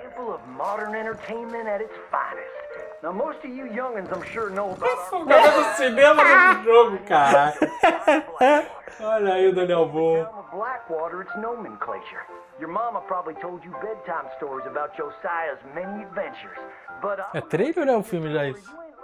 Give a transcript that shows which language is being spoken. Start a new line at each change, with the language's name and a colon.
English: Example of modern entertainment at its finest. Now most of you youngins, I'm sure know about.
Portuguese: O cara do cinema do jogo, cara. Olha aí o Daniel Vô.
English: Blackwater, it's nomenclature. Your mama probably told you bedtime stories about Josiah's many adventures. But
Portuguese: é trailer ou é o filme já isso?